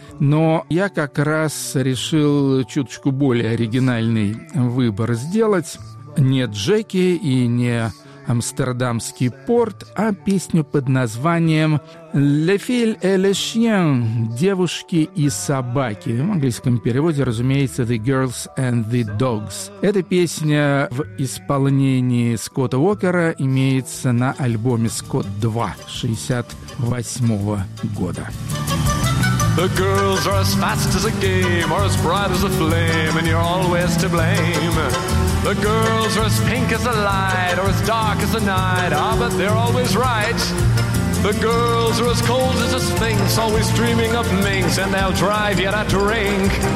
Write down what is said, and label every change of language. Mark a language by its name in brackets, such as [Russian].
[Russian] Но я как раз решил чуточку более оригинальный выбор сделать. Не «Джеки» и не «Амстердамский порт», а песню под названием «Le Fils et le Chien» – «Девушки и собаки». В английском переводе, разумеется, «The Girls and the Dogs». Эта песня в исполнении Скотта Уокера имеется на альбоме «Скотт 2» 68-го года. [English] The girls are as fast as a game, or as bright as a flame, and you're always to blame. The girls are as pink as the light, or as dark as the night, ah, but they're always right. The girls are as cold as a sphinx, always dreaming of minx, and they'll drive you to drink.